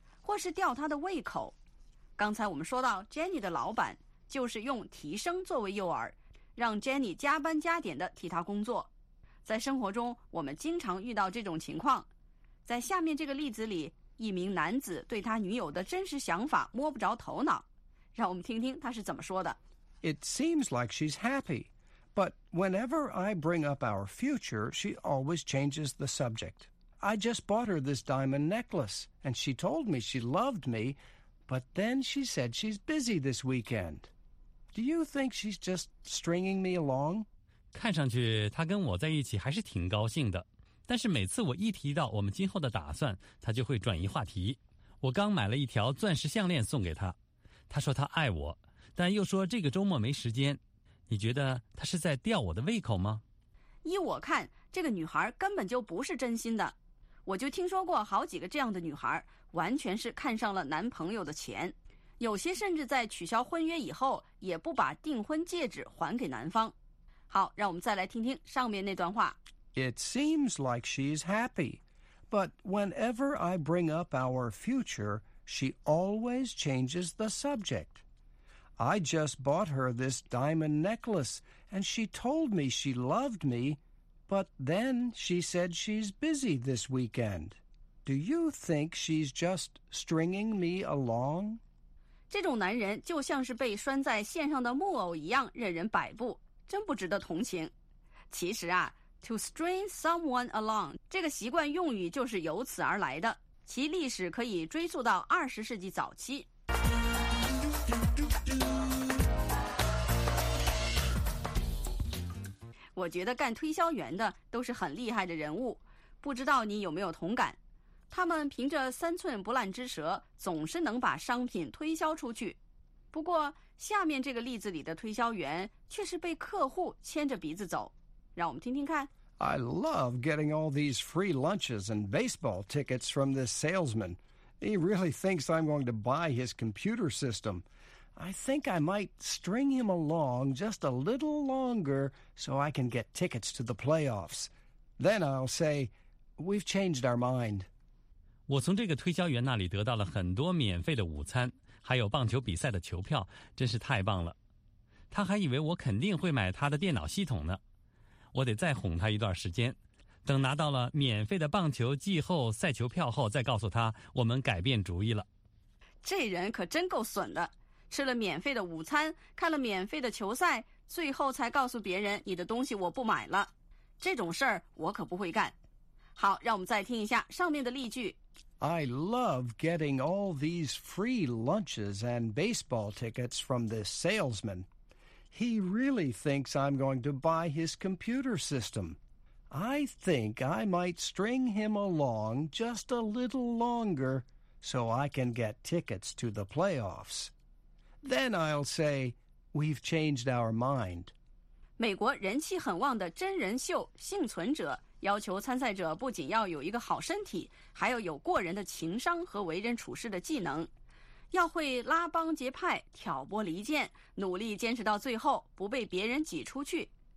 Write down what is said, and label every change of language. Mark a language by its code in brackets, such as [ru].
[zh] 或是吊他的胃口。刚才我们说到 Jenny 的老板就是用提升作为诱饵，让 Jenny 加班加点的替他工作。在生活中我们经常遇到这种情况。在下面这个例子里，一名男子对他女友的真实想法摸不着头脑，让我们听听他是怎么说的。 [en] It seems like she's happy, but whenever I bring up our future, she always changes the subject. I just bought her this diamond necklace, and she told me she loved me, but then she said she's busy this weekend. Do you think she's just stringing me along? [zh] 看上去她跟我在一起还是挺高兴的，但是每次我一提到我们今后的打算，她就会转移话题。我刚买了一条钻石项链送给她，她说她爱我，但又说这个周末没时间。你觉得她是在吊我的胃口吗？依我看，这个女孩根本就不是真心的。我就听说过好几个这样的女孩，完全是看上了男朋友的钱，有些甚至在取消婚约以后也不把订婚戒指还给男方。好，让我们再来听听上面那段话。 [en] It seems like she's happy, but whenever I bring up our future, she always changes the subject. I just bought her this diamond necklace, and she told me she loved me, but then she said she's busy this weekend. Do you think she's just stringing me along? [zh] 这种男人就像是被拴在线上的木偶一样任人摆布，真不值得同情。其实啊 , [en] to string someone along, [zh] 这个习惯用语就是由此而来的，其历史可以追溯到20世纪早期。我觉得干推销员的都是很厉害的人物，不知道你有没有同感？他们凭着三寸不烂之舌，总是能把商品推销出去。不过下面这个例子里的推销员却是被客户牵着鼻子走，让我们听听看。 [en] I love getting all these free lunches and baseball tickets from this salesman. He really thinks I'm going to buy his computer system. I think I might string him along just a little longer so I can get tickets to the playoffs. Then I'll say, we've changed our mind. [zh] 我从这个推销员那里得到了很多免费的午餐，还有棒球比赛的球票，真是太棒了。他还以为我肯定会买他的电脑系统呢。我得再哄他一段时间，等拿到了免费的棒球季后赛球票后，再告诉他我们改变主意了。这人可真够损的，吃了免费的午餐，看了免费的球赛，最后才告诉别人你的东西我不买了。这种事儿我可不会干。好，让我们再听一下上面的例句。 [en] I love getting all these free lunches and baseball tickets from this salesman. He really thinks I'm going to buy his computer system. I think I might string him along just a little longer so I can get tickets to the playoffs. Then I'll say, we've changed our mind. [zh] 美国人气很旺的真人秀《幸存者》要求参赛者不仅要有一个好身体，还要有过人的情商和为人处事的技能，要会拉帮结派、挑拨离间，努力坚持到最后，不被别人挤出去。